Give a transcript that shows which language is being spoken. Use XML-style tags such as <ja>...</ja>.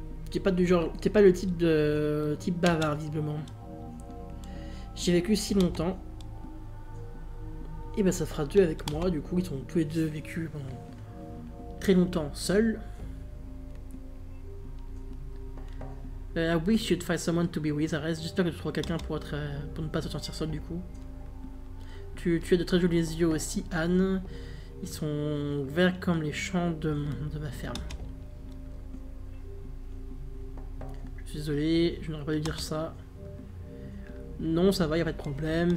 <fr>T'es pas le type de... type bavard, visiblement. J'ai vécu si longtemps. Et ben, ça fera deux avec moi. Du coup, ils ont tous les deux vécu pendant très longtemps seuls.</fr> <en>I wish you'd find someone to be with, Arès.</en> <fr>J'espère que tu trouveras quelqu'un pour ne pas te sentir seul du coup. Tu as de très jolis yeux aussi, Anne. Ils sont verts comme les champs de ma ferme. Je suis désolé, je n'aurais pas dû dire ça. Non, ça va, y a pas de problème.</fr>